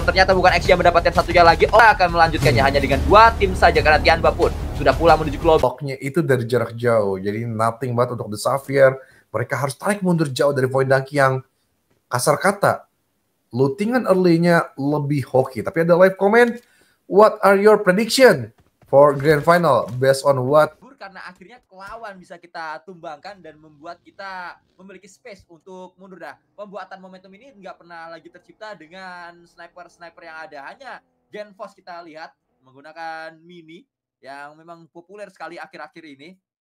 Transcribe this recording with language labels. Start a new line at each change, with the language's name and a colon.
Indonesian: Ternyata bukan Exi yang mendapatkan satunya lagi. Oh, akan melanjutkannya hanya dengan 2 tim saja karena Tianba pun sudah pulang menuju lobby. Blocknya itu dari jarak jauh. Jadi nothing banget untuk The Xavier. Mereka harus tarik mundur jauh dari Void Dunk yang kasar kata lootingan early-nya lebih hoki. Tapi ada
English: live comment, "What are your prediction for grand final based on what?"
Indonesian: Karena akhirnya lawan bisa kita tumbangkan dan membuat kita memiliki space untuk mundur dah. Pembuatan momentum ini nggak pernah lagi tercipta dengan sniper-sniper yang ada. Hanya Genfos kita lihat menggunakan mini yang memang populer sekali akhir-akhir ini.